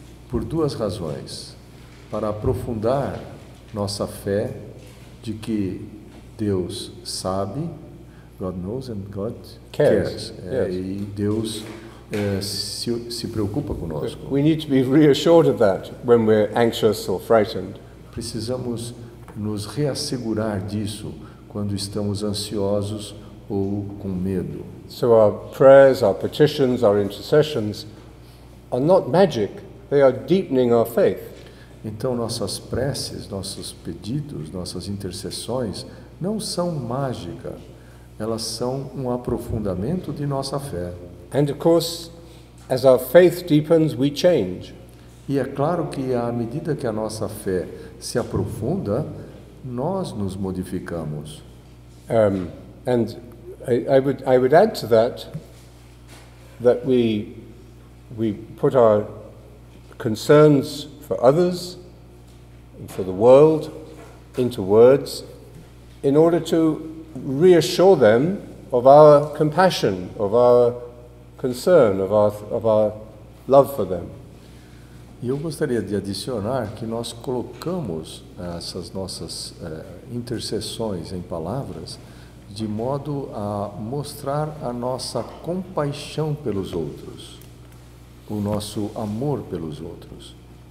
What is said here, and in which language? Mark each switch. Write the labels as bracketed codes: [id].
[pt] Por duas razões. Para aprofundar nossa fé de que Deus sabe, [en] God knows and God cares. Yes. [pt] E Deus se preocupa conosco. [en] We need to be reassured of that when we're anxious or frightened. [pt] Precisamos nos reassegurar disso quando estamos ansiosos ou com medo. [en] So our prayers, our petitions, our intercessions are not magic. They are deepening our faith. [pt] Então, nossas preces, nossos pedidos, nossas intercessões não são mágica, elas são um aprofundamento de nossa fé. [en] And of course, as our faith deepens, we change. [pt] E é claro que à medida que a nossa fé se aprofunda, nós nos modificamos. [en] And I would add to that that we put our concerns for others and for the world into words in order to reassure them of our compassion, of our concern, of our love for them. [pt] E eu gostaria de adicionar que nós colocamos essas nossas intercessões em palavras de modo a mostrar a nossa compaixão pelos outros, o nosso amor pelos outros.